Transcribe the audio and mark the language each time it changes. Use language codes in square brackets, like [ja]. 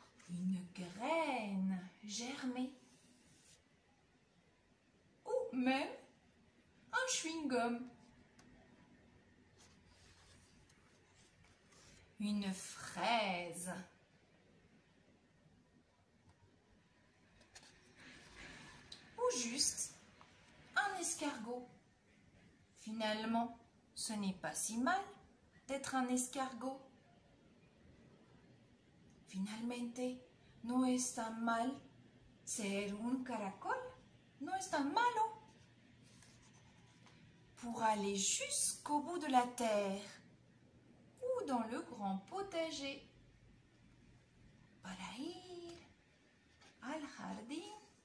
[fr] Une graine germée ou même un chewing-gum, une fraise ou juste un escargot. Finalement, ce n'est pas si mal d'être un escargot. [es] Finalmente, no es tan mal ser un caracol. No es tan malo. [fr] Pour aller jusqu'au bout de la terre ou dans le grand potager. [es] Para ir al jardín.